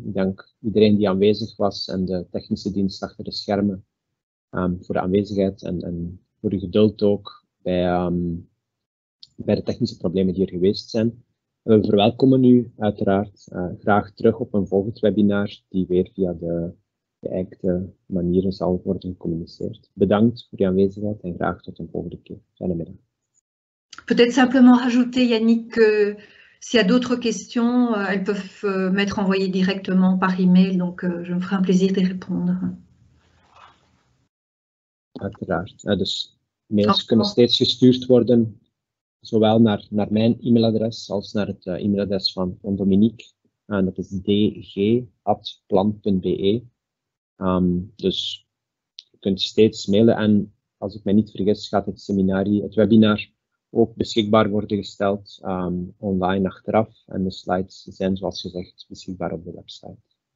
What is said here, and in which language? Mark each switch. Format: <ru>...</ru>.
<nl>Ik dank iedereen die aanwezig was en de technische dienst achter de schermen voor de aanwezigheid en voor uw geduld ook bij de technische problemen die er geweest zijn. En we verwelkomen u uiteraard graag terug op een volgend webinar die weer via de geëikte manieren zal worden gecommuniceerd. Bedankt voor uw aanwezigheid en graag tot een volgende keer. Fijne middag.</nl> <fr>Peut-être simplement rajouter, Yannick, que s'il y a d'autres questions, elles peuvent m'être envoyées directement par email, donc je me ferai un plaisir d'y répondre.</fr> <nl>Uiteraard. Dus mails kunnen steeds gestuurd worden, zowel naar mijn e-mailadres als naar het e-mailadres van Dominique. En dat is dg@plan.be. Dus je kunt steeds mailen en als ik mij niet vergis, gaat het webinar ook beschikbaar worden gesteld online achteraf. En de slides zijn, zoals gezegd, beschikbaar op de website.</nl>